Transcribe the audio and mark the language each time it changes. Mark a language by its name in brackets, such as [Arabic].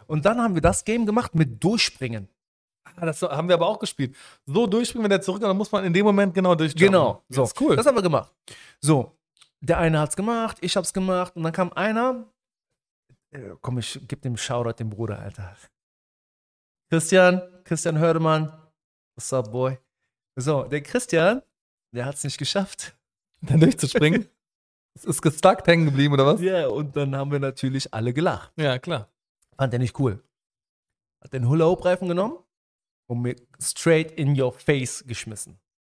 [German] Und dann haben wir das Game gemacht mit Durchspringen. Das haben wir aber auch gespielt. So durchspringen, wenn der zurückkommt, dann muss man in dem Moment genau durchjumpen. Genau. So. Das ist cool. Das haben wir gemacht. So. Der eine hat's gemacht, ich hab's gemacht und dann kam einer, komm, ich geb dem Shoutout, dem Bruder, Alter. [English] Christian Hördemann, what's up, boy? [German] So, der Christian, der hat's nicht geschafft. Dann durchzuspringen? Ist gestuckt hängen geblieben, oder was? Ja, yeah, und dann haben wir natürlich alle gelacht. Ja, klar. Fand der nicht cool. Hat den Hula-Hoop-Reifen genommen und mir [English] straight in your face [German] geschmissen.